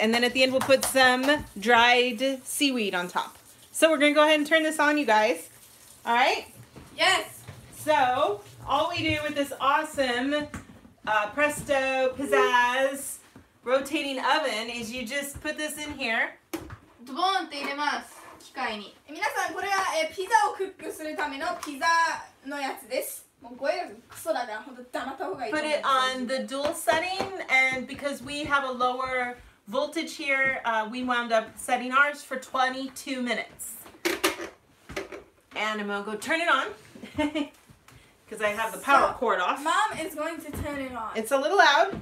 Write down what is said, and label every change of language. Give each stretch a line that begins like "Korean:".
English: And then at the end, we'll put some dried seaweed on top. So we're going to go ahead and turn this on, you guys. All right? Yes. So, all we do with this awesome Presto Pizzazz Rotating Oven is you just put this in here.
Japanese: ドボンって入れます、機械に。え、皆さん、これはピザをクックするためのピザのやつです。もうこれクソだね。本当黙った方がいいと思います。
English: Put it on the dual setting, and because we have a lower voltage here, we wound up setting ours for 22 minutes. And I'm going to go turn it on because I have the power cord off. Mom is going to turn it on. It's a little loud.